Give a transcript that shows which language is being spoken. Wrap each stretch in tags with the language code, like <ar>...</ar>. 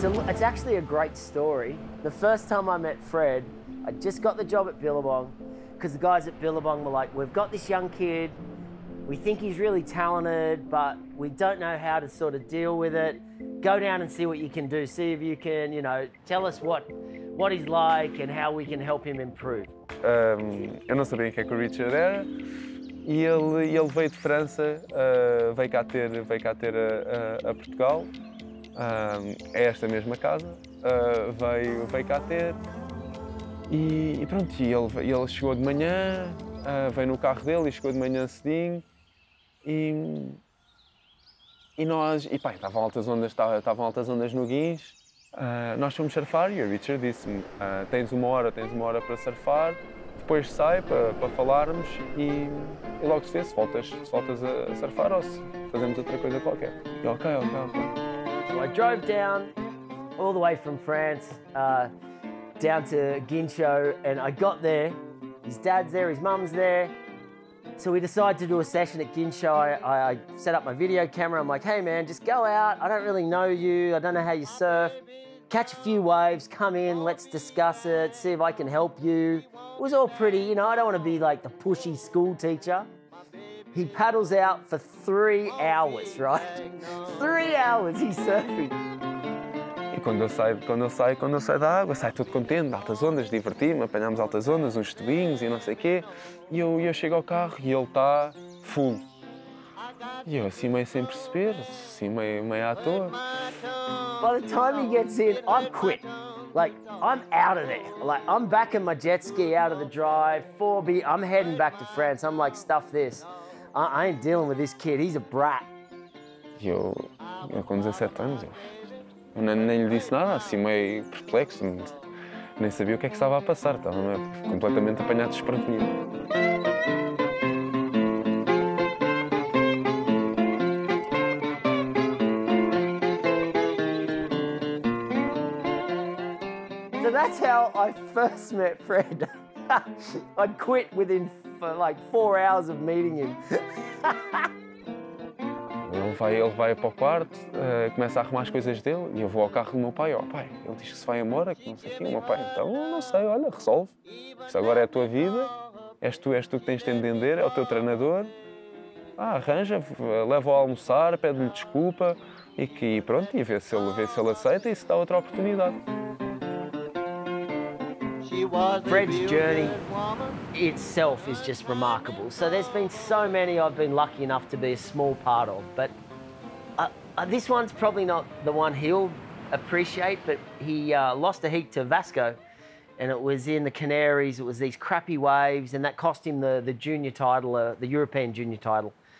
<en>It's actually a great story. The first time I met Fred, I just got the job at Billabong, because the guys at Billabong were like, we've got this young kid. We think he's really talented, but we don't know how to sort of deal with it. Go down and see what you can do. See if you can, you know, tell us what he's like and how we can help him improve.</en> <pt>Eu não sabia quem é que o Richard era. E ele veio de França, veio cá ter a Portugal. É esta mesma casa. Veio cá ter. E pronto, ele chegou de manhã, veio no carro dele e chegou de manhã cedinho. E estavam altas ondas, no guins. Nós fomos surfar e o Richard disse-me, tens uma hora para surfar, depois sai para falarmos e logo se vê se voltas a surfar ou se fazemos outra coisa qualquer. E ok.</pt> <en>So I drove down all the way from France, down to Guincho, and I got there. His dad's there, his mum's there. So we decided to do a session at Guincho. I set up my video camera. I'm like, hey man, just go out. I don't really know you. I don't know how you surf. Catch a few waves, come in, let's discuss it, see if I can help you. It was all pretty, you know, I don't want to be like the pushy school teacher. He paddles out for 3 hours, right? 3 hours he's surfing.</en> <pt>E quando eu saio da água, saio todo contente, altas ondas, diverti-me, apanhamos altas ondas, uns tubinhos e não sei o quê. E eu chego ao carro e ele está fundo. E eu assim meio sem perceber, assim meio à toa.</pt> <en>By the time he gets in, I'm quit. Like, I'm out of there. Like, I'm back in my jet ski out of the drive, 4B, I'm heading back to France. I'm like, stuff this. I ain't dealing with this kid, he's a brat.</en> <pt>E eu com 17 anos, eu nem lhe disse nada, assim meio perplexo. Nem sabia o que é que estava a passar, estava completamente apanhado desprevenido.</pt> <en>That's how I first met Fred. I quit within like 4 hours of meeting him.</en> <pt>Ele vai para o quarto, começa a arrumar as coisas dele e eu vou ao carro do meu pai. Oh, pai, ele diz que se vai embora, que não sei o quê. O meu pai, então, não sei, olha, resolve. Isso agora é a tua vida, és tu que tens de entender, é o teu treinador. Ah, arranja, leva-o a almoçar, pede-lhe desculpa e que pronto, e vê se ele aceita e se dá outra oportunidade.</pt> <en>Fred's journey itself is just remarkable. So there's been so many I've been lucky enough to be a small part of, but this one's probably not the one he'll appreciate, but he lost a heat to Vasco, and it was in the Canaries, it was these crappy waves, and that cost him the junior title, the European junior title.</en>